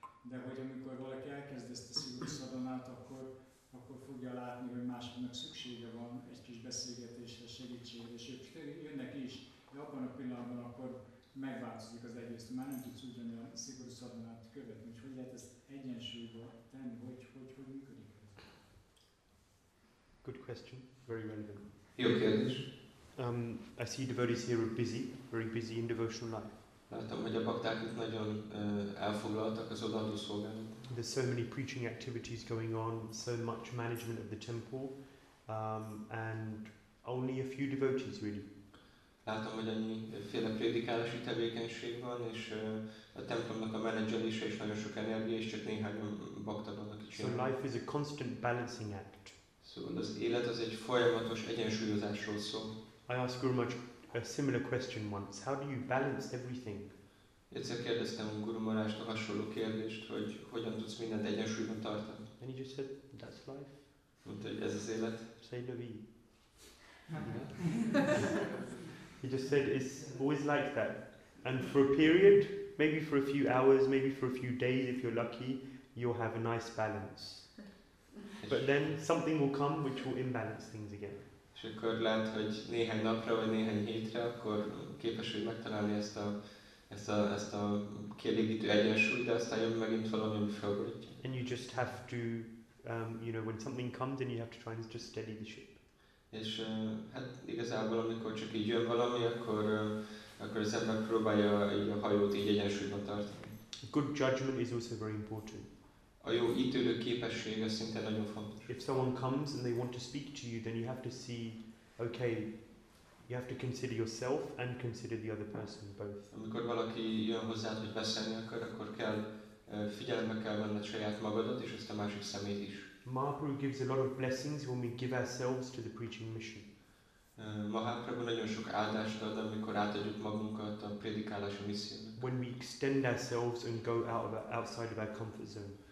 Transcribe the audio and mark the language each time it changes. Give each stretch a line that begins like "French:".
Hungarian: De hogy amikor valaki elkezd ezt a szigorúsabbnát, akkor fogja látni, hogy másoknak szüksége van egy kis beszélgetésre, segítségre, és ők jönnek is, de abban a pillanatban akkor megváltozik az egész, már nem tudsz ugyanilyen szigorú szabonát követni, hogy lehet ezt egyensúlyba tenni, hogy működik ez?
English: Good question, very relevant.
Hungarian: Jó kérdés.
English: I see devotees here are busy, very busy in devotional life.
Hungarian: Látom, hogy a bakták itt nagyon elfoglaltak az odaadó szolgálatban.
English: There's so many preaching activities going on, so much management of the temple, and only a few devotees really.
Hungarian: Látom, hogy annyi féle prédikálási tevékenység van, és a templomnak a menedzselése is nagyon sok energia, és csak néhány bakta van, aki csinál.
English: So life is a constant balancing act.
Hungarian: Szóval az élet az egy folyamatos egyensúlyozásról szól.
English: I asked Guru Maharaj a similar question once. How do you balance everything?
Hungarian: Egyszer kérdeztem Guru Maharajtól hasonló kérdést, hogy hogyan tudsz mindent egyensúlyban tartani.
English: And he just said, that's life.
Hungarian: Mondta, hogy ez az élet. Say Navi.
English: He just said it's always like that, and for a period, maybe for a few hours, maybe for a few days, if you're lucky, you'll have a nice balance. But then something will come which will imbalance things again.
Hungarian: És akkor lehet, hogy néhány napra vagy néhány hétre, akkor képes vagy megtalálni ezt a kielégítő egyensúlyt, de aztán jön megint valami, ami felborítja.
English: And you just have to, you know, when something comes, then you have to try and just steady the ship.
Hungarian: És hát igazából, amikor csak így jön valami, akkor az ember próbálja a hajót így egyensúlyban tartani.
English: Good judgment is also very important.
Hungarian: A jó ítélő képesség az szinte nagyon fontos.
English: If someone comes and they want to speak to you, then you have to see, okay, you have to consider yourself and consider the other person both.
Hungarian: Amikor valaki jön hozzád, hogy beszélni akkor kell figyelembe kell venned saját magadat és ezt a másik szemét is.
English: Mahaprabhu gives a lot of blessings when we give ourselves to the preaching mission.
Hungarian: Mahaprabhu nagyon sok áldást ad, amikor átadjuk magunkat a prédikálási missziónak.
English: When we extend ourselves and go outside of our comfort zone.